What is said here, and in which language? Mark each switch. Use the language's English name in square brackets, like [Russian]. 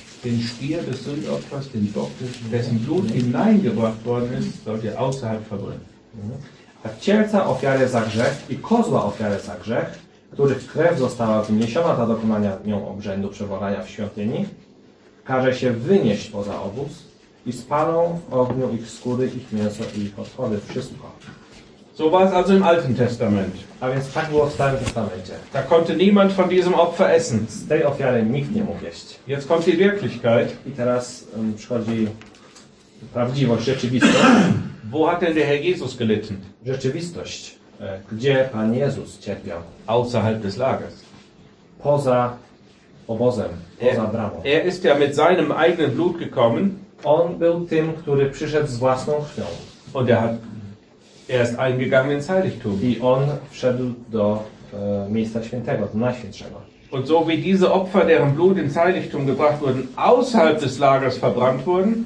[German] Den Stier des Sündopfers, den Bock, dessen Blut hineingebracht worden ist, sollt ihr außerhalb verbrennen. [Polish] A cielca ofiary za grzech i kozła ofiary za grzech, których krew została wniesiona do dokonania nią obrzędu przewalania w świątyni, każe się wynieść poza obóz i spalą w ogniu ich skóry, ich mięso i ich odchody, wszystko. [German] So war es also im Alten Testament. [Polish] A więc tak było w Starym Testamencie. [German] Da konnte niemand von diesem Opfer essen. [Polish] Z tej ofiary nikt nie mógł jeść. [German] Jetzt kommt die Wirklichkeit. [Polish] I teraz przychodzi prawdziwość, rzeczywistość. [German] Wo hat denn der Herr Jesus gelitten? [Polish] Rzeczywistość. Gdzie Pan Jezus cierpiał? [German] Außerhalb des Lagers. [Polish] Poza obozem, poza bramą. [German] Er ist ja mit seinem eigenen Blut gekommen. [Polish] On był tym, który przyszedł z własną krwią. [German] Und er hat erst eingegangen ins Heiligtum. [Polish] I on wszedł do miejsca świętego, do najświętszego. [German] Und so wie diese Opfer, deren Blut ins Heiligtum gebracht wurden, außerhalb des Lagers verbrannt wurden.